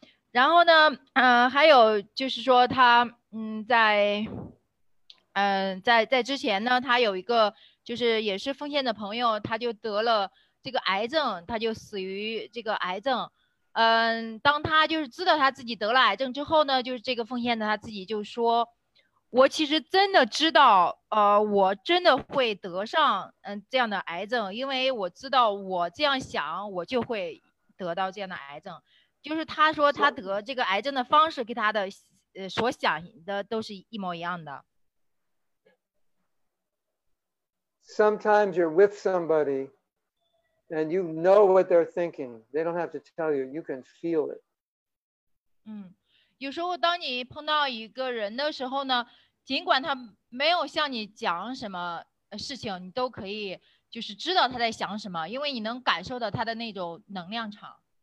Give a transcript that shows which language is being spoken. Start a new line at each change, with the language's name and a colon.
Chinese: 然后呢，还有就是说他，在之前呢，他有一个就是也是奉献的朋友，他就得了这个癌症，他就死于这个癌症。当他就是知道他自己得了癌症之后呢，就是这个奉献的他自己就说，我其实真的知道，我真的会得上这样的癌症，因为我知道我这样想，我就会得到这样的癌症。就是他说他得这个癌症的方式跟他的所想的都是一模一样的。
English: Sometimes you're with somebody and you know what they're thinking. They don't have to tell you. You can feel it.
Chinese: 有时候当你碰到一个人的时候呢，尽管他没有向你讲什么事情，你都可以就是知道他在想什么，因为你能感受到他的那种能量场。